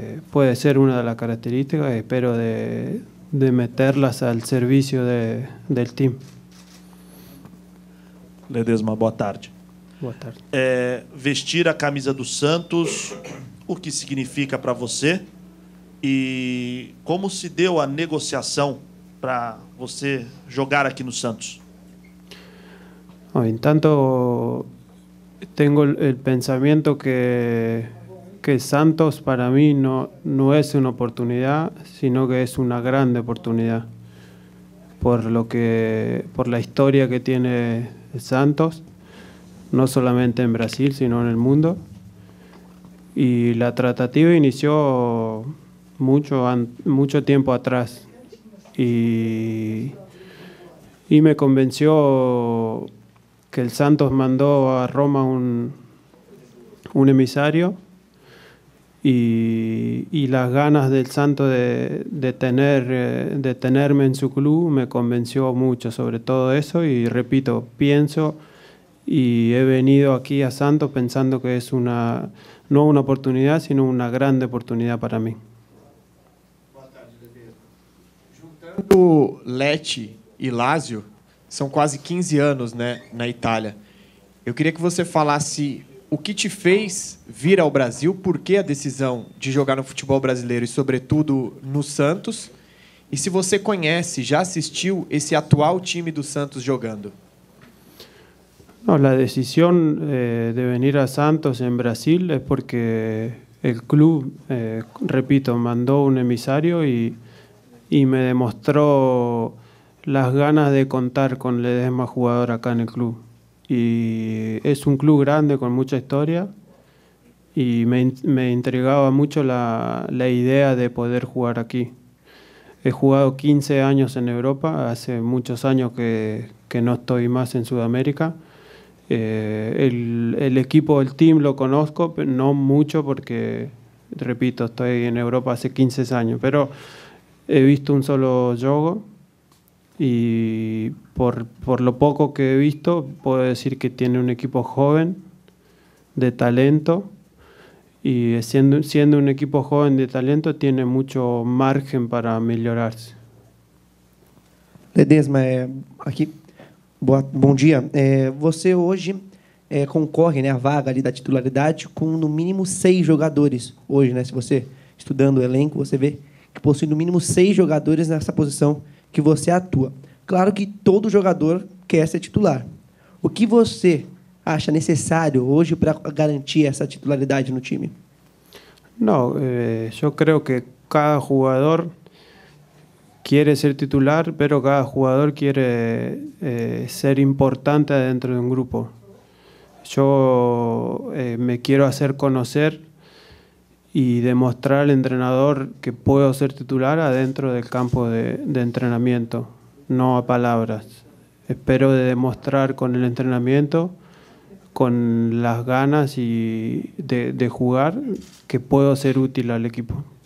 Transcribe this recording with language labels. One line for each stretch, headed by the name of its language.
Spanish: Puede ser una de las características, espero de meterlas al servicio del team.
Portuguese: Ledesma, boa tarde. Boa tarde. Vestir a camisa do Santos, o que significa para você? E como se deu a negociação para você jogar aqui no Santos? Entanto, tenho o pensamento que Santos para mim não é uma oportunidade, sino que é uma grande oportunidade por a história que tem Santos, não solamente em Brasil, sino no mundo. E a tratativa iniciou
Spanish: mucho tiempo atrás y me convenció que el Santos mandó a Roma un emisario y las ganas del Santos de tenerme en su club me convenció mucho sobre todo eso y repito, pienso y he venido aquí a Santos pensando que es una, no una oportunidad, sino una grande oportunidad para mí.
Portuguese: O Leti e Lazio são quase 15 anos, né, na Itália. Eu queria que você falasse o que te fez vir ao Brasil, por que a decisão de jogar no futebol brasileiro e, sobretudo, no Santos, e se você conhece, já assistiu esse atual time do Santos jogando. Não, a decisão de vir a Santos em Brasil é porque o clube, repito, mandou um emissário
Spanish: y me demostró las ganas de contar con Ledesma jugador acá en el club. Y es un club grande con mucha historia y me intrigaba mucho la idea de poder jugar aquí. He jugado 15 años en Europa, hace muchos años que no estoy más en Sudamérica. El equipo, el team lo conozco, pero no mucho porque, repito, estoy en Europa hace 15 años, pero he visto un solo juego y por lo poco que he visto puedo decir que tiene un equipo joven de talento y siendo un equipo joven de talento tiene mucho margen para mejorarse. Ledesma, aquí, buen día.
Portuguese: Você hoje concorre, né, a vaga ali da titularidade com no mínimo 6 jogadores hoje, né? Se você estudando o elenco, você vê que possui no mínimo 6 jogadores nessa posição que você atua. Claro que todo jogador quer ser titular. O que você acha necessário hoje para garantir essa titularidade no time? Não, eu creio que cada jogador quer ser titular, mas cada jogador quer ser importante dentro de um grupo.
Spanish: Yo me quiero hacer conocer y demostrar al entrenador que puedo ser titular adentro del campo de entrenamiento, no a palabras. Espero de demostrar con el entrenamiento, con las ganas y de jugar, que puedo ser útil al equipo.